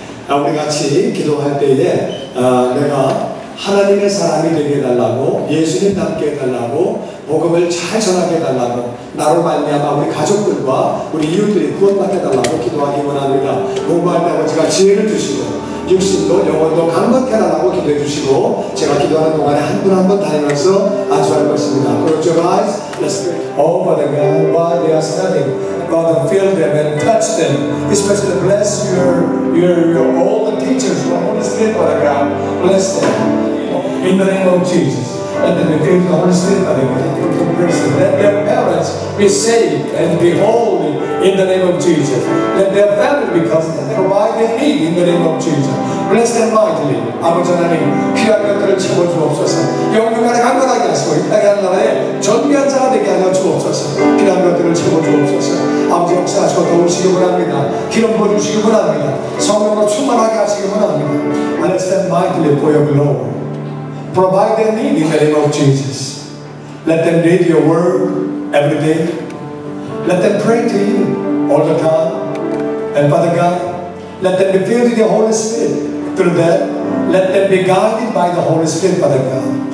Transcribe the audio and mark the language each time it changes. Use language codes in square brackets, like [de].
[ko] 우리 같이 기도할 때에 내가 하나님의 사람이 되게 해달라고 예수님답게 해달라고 복음을 잘 전하게 해달라고 나로 말미암아 우리 가족들과 우리 이웃들이 구원받게 해달라고 기도하기 원합니다. 공부할 때 아버지가 지혜를 주시고 육신도 영혼도 강건케 해달라고 기도해 주시고 제가 기도하는 동안에 한 분 한 분 다니면서 안수할 것입니다. [en] Close your eyes. Let's pray. Oh, Father God, while they are studying, God, fill them and touch them, especially bless your all the teachers, your Holy Spirit, Father God, bless them in the name of Jesus. Let them be filled with the Holy Spirit, Father God. Let their parents be saved and be holy in the name of Jesus. Let their family be comforted and provide their need in the name of Jesus. Bless them mightily. [ko] 아버지 하나님, 귀한 것들을 지켜 주옵소서. 영육간에 강건하게 하시고 이 땅의 나라에 전미한 자가 되게 하여 주옵소서. 귀한 것들을 지켜 주옵소서. 아버지 역사하시고 도우시기 원합니다. 기름 부어주시기 원합니다. 성령으로 충만하게 하시기 원합니다. [en] Bless them mightily for your glory. Provide their need in the name of Jesus. Let them read your word every day. Let them pray to you all the time. And Father God, let them be filled with your Holy Spirit. Through that, let them be guided by the Holy Spirit, Father God.